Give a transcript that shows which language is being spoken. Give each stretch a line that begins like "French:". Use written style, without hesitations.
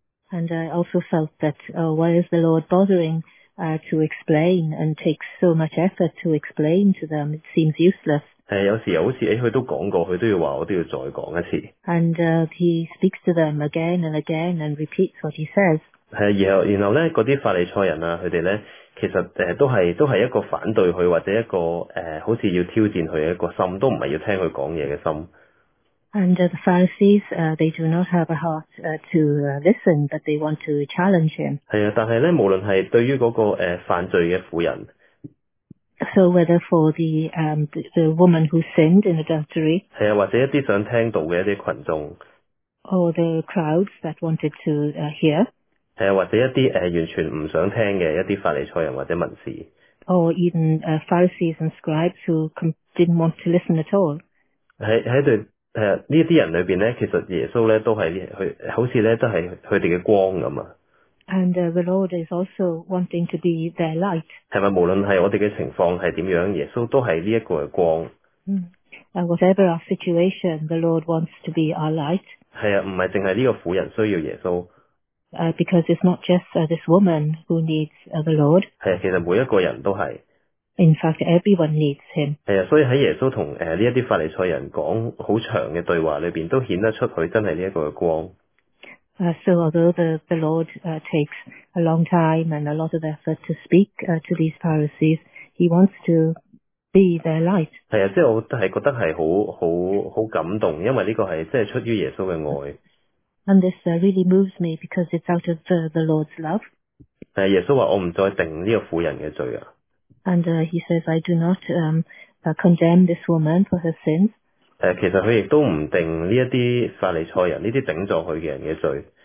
English: And I also felt that, why is the Lord bothering to explain and take so much effort to explain to them? It seems useless.
Cantonese: 有時又好似，佢都講過，佢都要話，我都要再講一次。
English: And he speaks to them again and again and repeats what he says.
Cantonese: 然後咧，嗰啲法利賽人啊，佢哋咧。其實都係一個反對佢或者一個好似要挑戰佢一個心，都唔係要聽佢講嘢嘅心。
English: And the Pharisees, they do not have a heart to listen, but they want to challenge him.
Cantonese: 係啊，但係咧，無論係對於嗰個犯罪嘅婦人
English: ，So whether for the woman who sinned in adultery，
Cantonese: 係啊，或者一啲想聽到嘅一啲群眾
English: ，Or the crowds that wanted to hear。
Cantonese: 或者一啲完全唔想聽嘅一啲法利賽人或者文士
English: ，or even Pharisees and scribes who didn't want to listen at all。
Cantonese: 喺呢啲人裏面咧，其實耶穌咧都係好似咧都係佢哋嘅光咁啊。
English: And the Lord is also wanting to be their light。
Cantonese: 係咪無論係我哋嘅情況係點樣，耶穌都係呢一個嘅光。
English: Whatever our situation, the Lord wants to be our light。
Cantonese: 係啊，唔係淨係呢個婦人需要耶穌。
English: Because it's not just this woman who needs the Lord.
Cantonese: 其實每一個人都是。
English: In fact, everyone needs him.
Cantonese: 所以在耶穌和這些法利賽人講很長的對話裡面都顯得出他真是這個光。
English: So although the Lord takes a long time and a lot of effort to speak to these Pharisees, he wants to be their light.
Cantonese: 即我是覺得是很感動，因為這個是即出於耶穌的愛。
English: And this really moves me because it's out of the Lord's love.
Cantonese: 耶穌話：我唔再定呢個婦人嘅罪啊。
English: And he says, I do not condemn this woman for her sins.
Cantonese: 其實佢亦都唔定呢一啲法利賽人呢啲頂撞佢嘅人嘅罪。